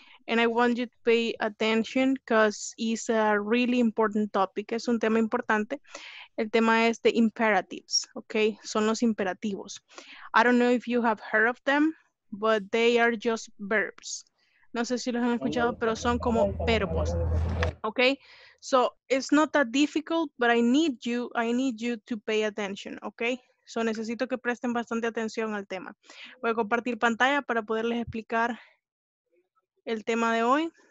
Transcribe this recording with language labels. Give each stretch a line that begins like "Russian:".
English: And I want you to pay attention because it's a really important topic.
Spanish: Es un tema importante. El tema es the imperatives, okay? Son los imperativos.
English: I don't know if you have heard of them, but they are just verbs.
Spanish: No sé si los han escuchado, pero son como verbos, okay?
English: So it's not that difficult, but I need you to pay attention, okay?
Spanish: So necesito que presten bastante atención al tema. Voy a compartir pantalla para poderles explicar el tema de hoy.